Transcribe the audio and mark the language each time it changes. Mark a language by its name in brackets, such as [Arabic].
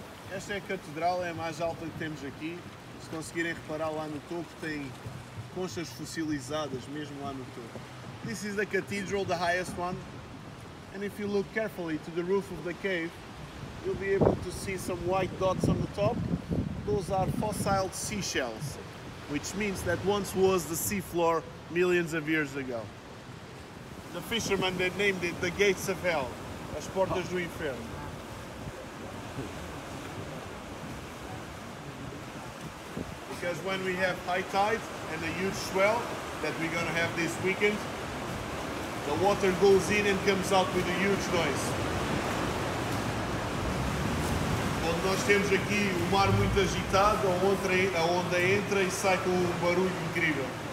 [Portuguese] Esta é a catedral, é a mais alta que temos aqui. Se conseguirem reparar lá no topo, tem conchas fossilizadas mesmo lá no topo. [English] This is the cathedral, the highest one. And if you look carefully to the roof of the cave, you'll be able to see some white dots on the top. Those are fossil seashells, which means that once was the seafloor millions of years ago. The fishermen, they named it the Gates of Hell, [Portuguese] as Portas do Inferno. [English] Because when we have high tide and a huge swell that we're gonna have this weekend, the water goes in and comes out with a huge noise. [Portuguese] Quando nós temos aqui o mar muito agitado, a onda entra e sai com um barulho incrível.